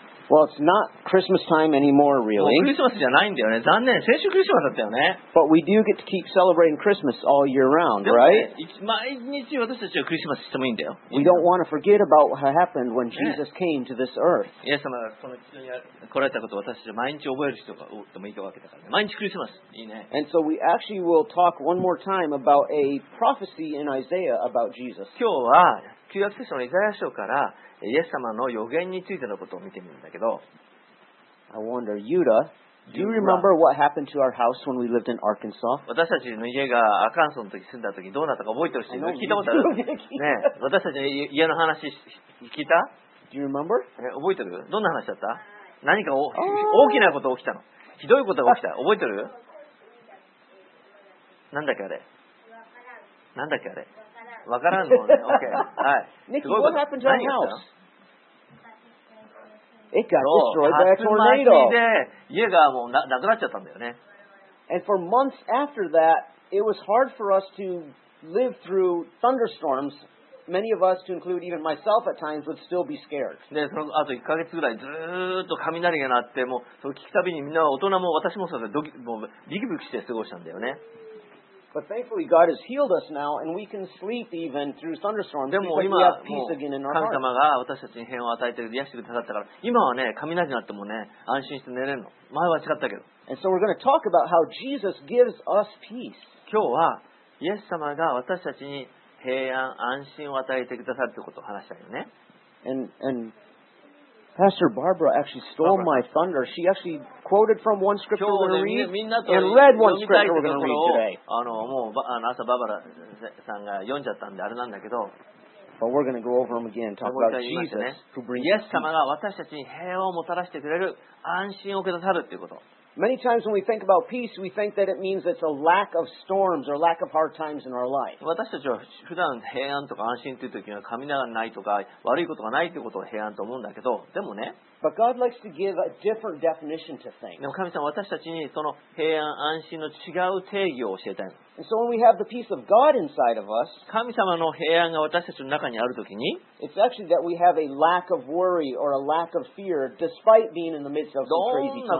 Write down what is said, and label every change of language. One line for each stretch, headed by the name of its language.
English: Well, it's not Christmas time anymore, really.
Japanese: クリスマスじゃないんだよね。残念。先週クリスマスだったよね。
English: But we do get to keep celebrating Christmas all year round, right?
Japanese: 毎日私たちはクリスマスしてもいいんだよ。
English: We don't want to forget about what happened when Jesus came to this earth.
Japanese: イエス様がこの地上に来られたことを私たちは毎日覚える人がいたわけだからね。毎日クリスマス。いいね。
English: And so we actually will talk one more time about a prophecy in Isaiah about Jesus.
Japanese: 今日は旧約聖書のイザヤ書からイエス様の予言についてのことを見てみるんだけど。
English: I wonder, Yuda, do you remember what happened to our house when we lived in Arkansas?
Japanese: 私たちの家がアカンソンの時住んだ時どうなったか覚えてるし、聞いたことある。ね、私たちの家の話聞いた？
English: Do you remember?
Japanese: 覚えてる？どんな話だった？何か大きなことが起きたの。ひどいことが起きた。覚えてる？なんだっけあれ？なんだっけあれ？わからんのね。
English: Okay. はい。 Nicky, what happened to our house? It got destroyed by a tornado.
Japanese: 竜巻で家がもうなくなっちゃったんだよね。
English: And for months after that, it was hard for us to live through thunderstorms. Many of us, to include even myself at times, would still be scared.
Japanese: で、そのあと1ヶ月ぐらいずっと雷が鳴って、もうそれ聞くたびにみんな大人も私もそれドキもうビクビクして過ごしたんだよね。
English: But thankfully, God has healed us now, and we can sleep even through thunderstorms. But we have peace again in our hearts.
Japanese: 神様が私たちに平和を与えて癒してくださったから、今はね、雷鳴ってもね、安心して寝れるの。前は違ったけど。
English: And so we're going to talk about how Jesus gives us peace.
Japanese: 今日はイエス様が私たちに平安安心を与えてくださるということを話したよね。
English: And Pastor Barbara actually stole my thunder. She actually quoted from one scripture we're going to read and read one scripture we're going to read today.
Japanese: もう朝バーバラさんが読んじゃったんであれなんだけど。
English: But we're going to go over them again, talk about Jesus who brings peace.
Japanese: イエス様が私たちに平和をもたらしてくれる安心をくださるっていうこと。
English: Many times when we think about peace, we think that it means it's a lack of storms or lack of hard times in our life.
Japanese: 私たちは普段平安とか安心という時には雷がないとか悪いことがないということを平安と思うんだけど、でもね。
English: But God likes to give a different definition to things.
Japanese: でも神様は私たちにその平安安心の違う定義を教えたい。
English: And so when we have the peace of God inside of us,
Japanese: 神様の平安が私たちの中にある時に、
English: it's actually that we have a lack of worry or a lack of fear despite being in the midst of some crazy times.